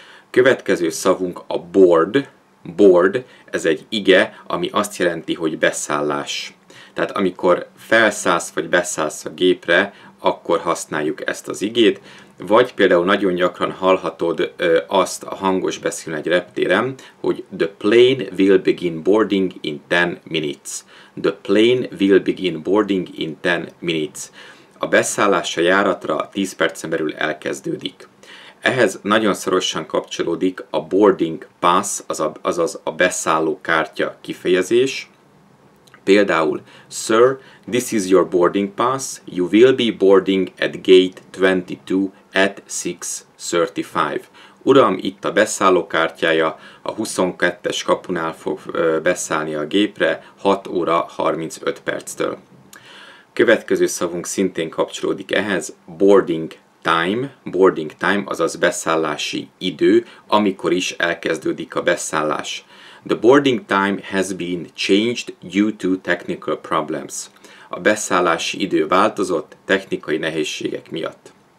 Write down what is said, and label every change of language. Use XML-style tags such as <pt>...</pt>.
<hu>Következő szavunk a board. Board, ez egy ige, ami azt jelenti, hogy beszállás. Tehát amikor felszállsz vagy beszállsz a gépre, akkor használjuk ezt az igét. Vagy például nagyon gyakran hallhatod azt a hangos beszélni egy reptéren, hogy</hu> <en>the plane will begin boarding in 10 minutes. The plane will begin boarding in 10 minutes.</en> <hu>A beszállás a járatra 10 percen belül elkezdődik. Ehhez nagyon szorosan kapcsolódik a boarding pass, azaz a beszálló kártya kifejezés. Például:</hu> <en>Sir, this is your boarding pass. You will be boarding at gate 22 at 6:35.</en> <hu>Uram, itt a beszálló kártyája, a 22-es kapunál fog beszállni a gépre 6 óra 35 perctől. Következő szavunk szintén kapcsolódik ehhez: boarding time, azaz beszállási idő, amikor is elkezdődik a beszállás.</hu> <en>The boarding time has been changed due to technical problems.</en> <hu>A beszállási idő változott technikai nehézségek miatt.</hu>